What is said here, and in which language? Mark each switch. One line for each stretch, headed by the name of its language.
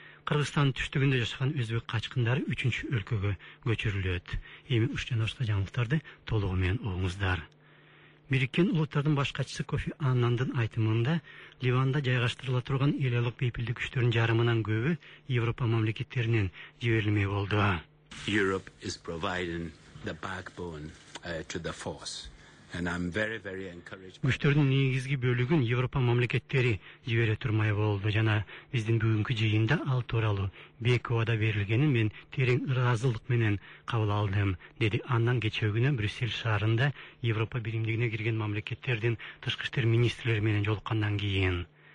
Kyrgyz: Кыргызстандын түштүгүндө жашаган өзбек качкындары үчүнчү өлкөгө көчүрүлөт. Эми уштанышта жаңылыктарды толугу менен угуңуздар. Бириккен улуттардын баш катчысы Кофи Аннандын айтымында Ливанда жайгаштырыла турган эл алык бейпилдик күчтөрүнүн жарымынан көбү Европа мамлекеттеринен жиберилмек болду.
English: Europe is providing the backbone to the force. And I'm very, very encouraged.
Kyrgyz: Күчтөрдүн негизги бөлүгүн Европа мамлекеттери жибере турмай болду жана биздин бүгүнкү жыйында ал тууралуу бек убада берилгенин мен терең ыраазылык менен кабыл алдым, деди андан кечээ күнү Брюссель шаарында Европа биримдигине кирген мамлекеттердин тышкы иштер министрлери менен жолуккандан кийин.